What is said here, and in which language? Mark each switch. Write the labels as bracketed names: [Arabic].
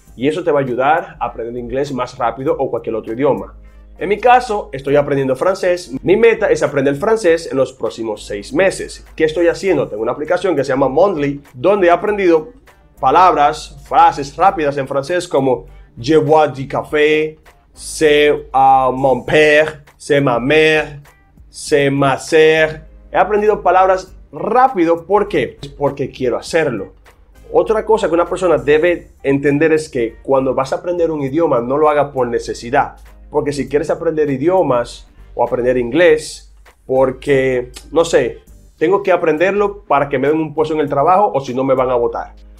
[Spanish] Y eso te va a ayudar a aprender inglés más rápido o cualquier otro idioma. En mi caso, estoy aprendiendo francés. Mi meta es aprender francés en los próximos 6 meses. ¿Qué estoy haciendo? Tengo una aplicación que se llama Mondly, donde he aprendido palabras, frases rápidas en francés como [French] Je bois du café, c'est mon père, c'est ma mère, c'est ma sœur. [Spanish] He aprendido palabras rápido, ¿por qué? Porque quiero hacerlo. Otra cosa que una persona debe entender es que cuando vas a aprender un idioma, no lo hagas por necesidad. Porque si quieres aprender idiomas o aprender inglés, porque, no sé, tengo que aprenderlo para que me den un puesto en el trabajo o si no me van a botar.